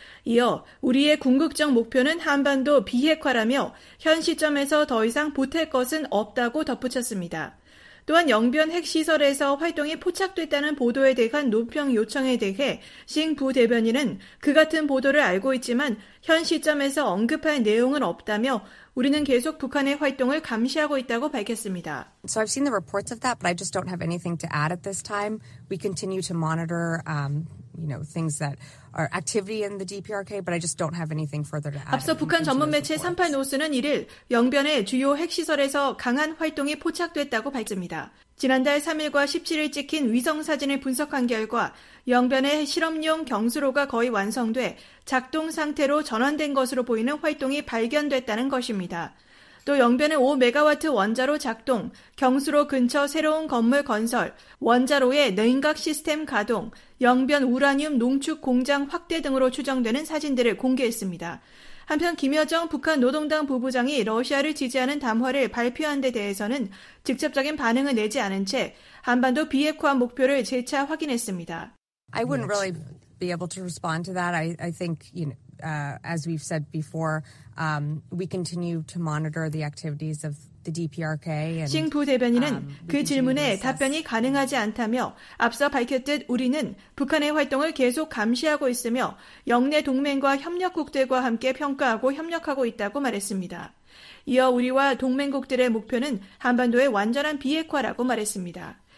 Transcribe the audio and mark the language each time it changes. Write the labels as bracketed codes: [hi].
[ko] 이어 우리의 궁극적 목표는 한반도 비핵화라며 현 시점에서 더 이상 보탤 것은 없다고 덧붙였습니다. 또한 영변 핵시설에서 활동이 포착됐다는 보도에 대한 논평 요청에 대해 싱 부대변인은 그 같은 보도를 알고 있지만 현 시점에서 언급할 내용은 없다며 우리는 계속 북한의 활동을 감시하고 있다고 밝혔습니다. [en] So I've seen the reports of that, but I just don't have anything to add at this time. We continue to monitor things that are activity in the DPRK, but I just don't have anything further to add. [ko] 앞서 북한 전문 매체 38노스는 이를 영변의 주요 핵시설에서 강한 활동이 포착됐다고 밝힙니다. 지난달 3일과 17일 찍힌 위성사진을 분석한 결과 영변의 실험용 경수로가 거의 완성돼 작동 상태로 전환된 것으로 보이는 활동이 발견됐다는 것입니다. 또 영변의 5메가와트 원자로 작동, 경수로 근처 새로운 건물 건설, 원자로의 냉각 시스템 가동, 영변 우라늄 농축 공장 확대 등으로 추정되는 사진들을 공개했습니다. 한편 김여정 북한 노동당 부부장이 러시아를 지지하는 담화를 발표한 데 대해서는 직접적인 반응을 내지 않은 채 한반도 비핵화 목표를 재차 확인했습니다. [en] I wouldn't really be able to respond to that. I think, as we've said before, we continue to monitor the activities of the DPRK. [ko] 싱 부대변인은 그 질문에 답변이 가능하지 않다며 앞서 밝혔듯 우리는 북한의 활동을 계속 감시하고 있으며 영내 동맹과 협력국들과 함께 평가하고 협력하고 있다고 말했습니다. 이어 우리와 동맹국들의 목표는 한반도의 완전한 비핵화라고 말했습니다.